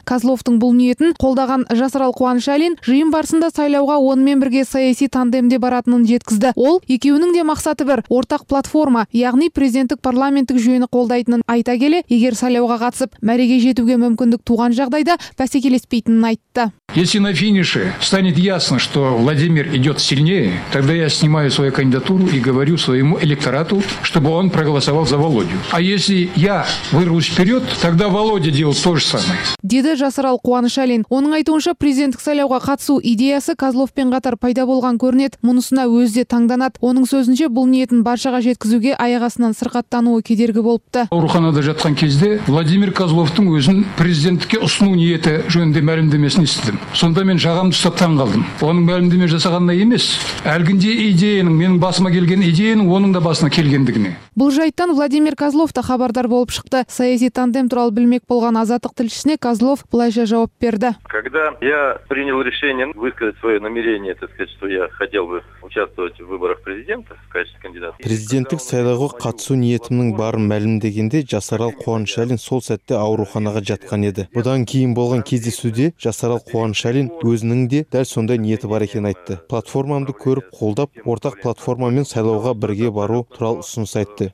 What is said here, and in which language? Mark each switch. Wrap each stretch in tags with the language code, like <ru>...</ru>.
<kk>Козловтың бұл ниетін қолдаған Жасарал Қуанышалин жиын барысында сайлауға онымен бірге саяси тандемде баратынын жеткізді. Ол екеуінің де мақсаты бір, ортақ платформа, яғни президенттік парламенттік жүйені қолдайтынын айта келе, егер сайлауға қатысып мәреге жетуге мүмкіндік туған жағдайда бәсекелеспейтінін айтты.</kk> <ru>Если на финише станет ясно, что Владимир идет сильнее, тогда я снимаю свою кандидатуру и говорю своему электорату, чтобы он проголосовал за Володю. А если я вырвусь вперед, тогда Володя делает то же самое.</ru> <kk>Деді Жасырал Қуанышалин. Оның айтуынша президенттік сайлауға қатысу идеясы Козловпен қатар пайда болған көрінет, мұнысына өзі де таңданат. Оның сөзінше бұл ниетін баршаға жеткізуге аяғасынан сырқаттануы кедергі болыпты. Ауруханада жатқан кезде Владимир Козловтың өзін президенттікке ұсыну ниеті жөнінде мәлімдемесін естідім. Сонда мен жағамды ұстап таңғалдым. Оның мәлімдеме жасағанына емес, әлгінде идеяның, менің басыма келген идеяның оның да басына келгендігіне. Бұл жайттан Владимир Козлов та хабардар болып шықты. Саяси тандем туралы білмек болған азаттық тілшісіне Козлов былайша жауап берді.</kk> <ru>Когда я принял решение высказать свое намерение, так сказать, что я хотел бы участвовать в выборах президента в качестве кандидата.</ru> <kk>Президенттік сайлауға қатысу ниетімнің барын мәлімдегенде Жасарал Қуанышалин сол сәтте ауруханаға жатқан еді. Бұдан кейін болған кездесуде Жасарал Қуанышалин өзінің де дәл сондай ниеті бар екенін айтты. Платформамды көріп қолдап, ортақ платформамен сайлауға бірге бару туралы ұсыныс айтты.</kk>